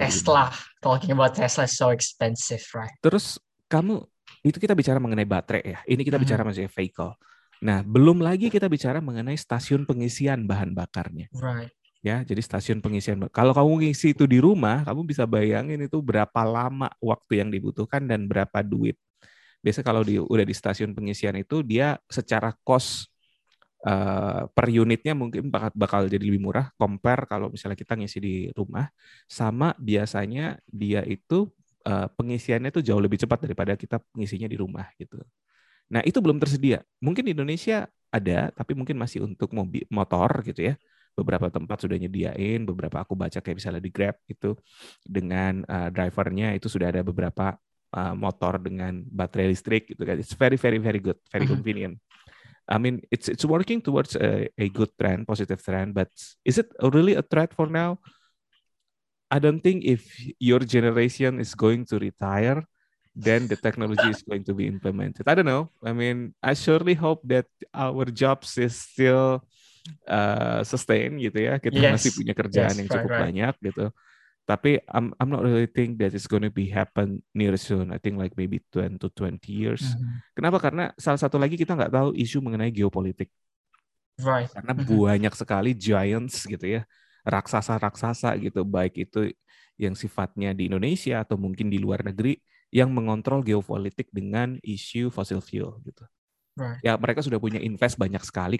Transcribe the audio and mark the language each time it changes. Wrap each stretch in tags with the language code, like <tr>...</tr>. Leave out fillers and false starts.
<en>Tesla, talking about Tesla so expensive, right?</en> <id>Terus kamu, itu kita bicara mengenai baterai ya, ini kita bicara mengenai vehicle. Nah, belum lagi kita bicara mengenai stasiun pengisian bahan bakarnya.</id> <en>Right.</en> <id>Ya, jadi stasiun pengisian. Kalau kamu ngisi itu di rumah, kamu bisa bayangin itu berapa lama waktu yang dibutuhkan dan berapa duit. Biasanya kalau udah di stasiun pengisian itu, dia secara cost per unitnya mungkin bakal jadi lebih murah compare kalau misalnya kita ngisi di rumah. Sama biasanya dia itu pengisiannya itu jauh lebih cepat daripada kita ngisinya di rumah gitu. Nah, itu belum tersedia. Mungkin di Indonesia ada, tapi mungkin masih untuk mobil motor gitu ya. Beberapa tempat sudah nyediain, beberapa aku baca kayak misalnya di Grab itu dengan drivernya itu sudah ada beberapa motor dengan baterai listrik gitu kan.</id> <en>It's very very very good, very convenient. I mean it's working towards a good trend, positive trend, but is it really a threat for now? I don't think if your generation is going to retire, then the technology is going to be implemented. I don't know. I mean, I surely hope that our jobs is still sustain gitu ya,</en> <id>kita masih punya kerjaan yang cukup banyak gitu. Tapi</id> <en>I'm not really think that it's going to be happen near soon. I think like maybe 20 years.</en> <id>Mm-hmm. Kenapa? Karena salah satu lagi kita nggak tahu isu mengenai geopolitik.</id> <en>Right.</en> <id>Karena banyak sekali giants gitu ya, raksasa-raksasa gitu, baik itu yang sifatnya di Indonesia atau mungkin di luar negeri yang mengontrol geopolitik dengan isu fossil fuel gitu.</id> <en>Right.</en> <id>Ya mereka sudah punya invest banyak sekali.</id>